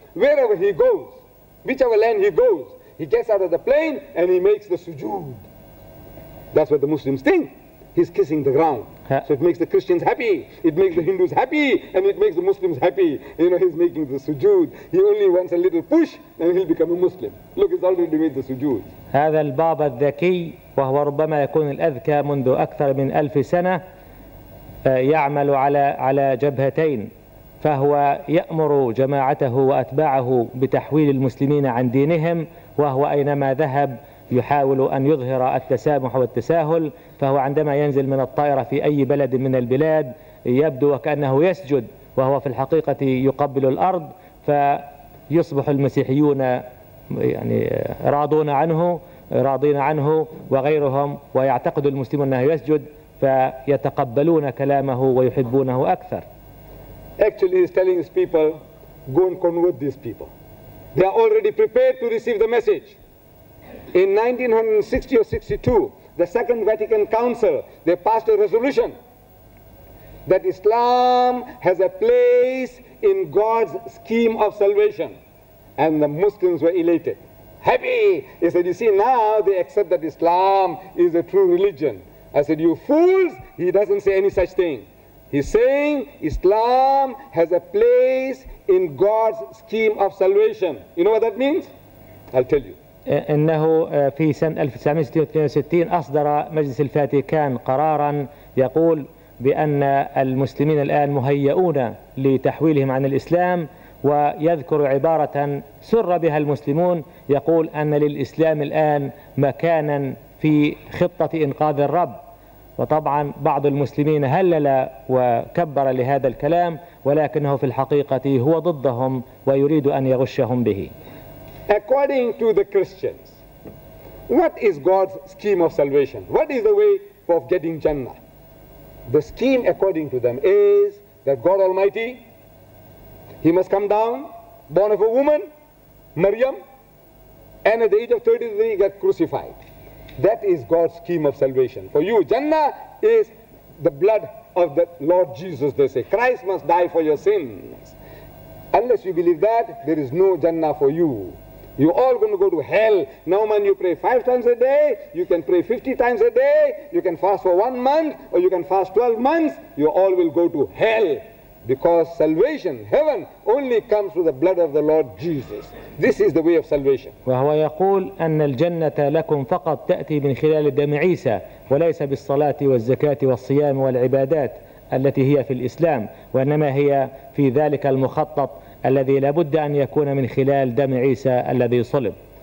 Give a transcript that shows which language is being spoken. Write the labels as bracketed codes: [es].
[en] Wherever he goes, whichever land he goes, he gets out of the plane and he makes the sujood. That's what the Muslims think. He's kissing the ground. So it makes the Christians happy, it makes the Hindus happy, and it makes the Muslims happy. You know, he's making the sujood. He only wants a little push and he'll become a Muslim. Look, he's already made the sujood. [ar] هذا البابا الذكي وهو ربما يكون الأذكى منذ أكثر من 1000 سنة يعمل على جبهتين، فهو يأمر جماعته وأتباعه بتحويل المسلمين عن دينهم، وهو أينما ذهب يحاول أن يظهر التسامح والتساهل، فهو عندما ينزل من الطائرة في أي بلد من البلاد يبدو وكأنه يسجد وهو في الحقيقة يقبل الأرض، فيصبح المسيحيون يعني راضين عنه وغيرهم، ويعتقد المسلمون أنه يسجد فيتقبلون كلامه ويحبونه أكثر. [en] Actually, he's telling his people, go and convert these people. They are already prepared to receive the message. In 1960 or 62, the Second Vatican Council, they passed a resolution that Islam has a place in God's scheme of salvation. And the Muslims were elated, happy. He said, you see, now they accept that Islam is a true religion. I said, you fools, he doesn't say any such thing. He's saying Islam has a place in God's scheme of salvation. You know what that means? I'll tell you. [ar] إنه في سنة 1962 أصدر مجلس الفاتيكان قرارا يقول بأن المسلمين الآن مهيئون لتحويلهم عن الإسلام، ويذكر عبارة سر بها المسلمون، يقول أن للإسلام الآن مكانا في خطة إنقاذ الرب. وطبعا بعض المسلمين هلل وكبر لهذا الكلام، ولكنه في الحقيقة هو ضدهم ويريد أن يغشهم به. [en] According to the Christians, what is God's scheme of salvation? What is the way of getting Jannah? The scheme according to them is that God Almighty, He must come down, born of a woman, Maryam, and at the age of 33 get crucified. That is God's scheme of salvation. For you, Jannah is the blood of the Lord Jesus, they say. Christ must die for your sins. Unless you believe that, there is no Jannah for you. You're all going to go to hell. Now, man, you pray 5 times a day, you can pray 50 times a day, you can fast for 1 month, or you can fast 12 months, you all will go to hell. Because salvation, heaven, only comes through the blood of the Lord Jesus. This is the way of salvation. [ar] وهو يقول أن الجنة لكم فقط تأتي من خلال دم عيسى، وليس بالصلاة والزكاة والصيام والعبادات التي هي في الإسلام، وإنما هي في ذلك المخطط الذي لابد أن يكون من خلال دم عيسى الذي صلب.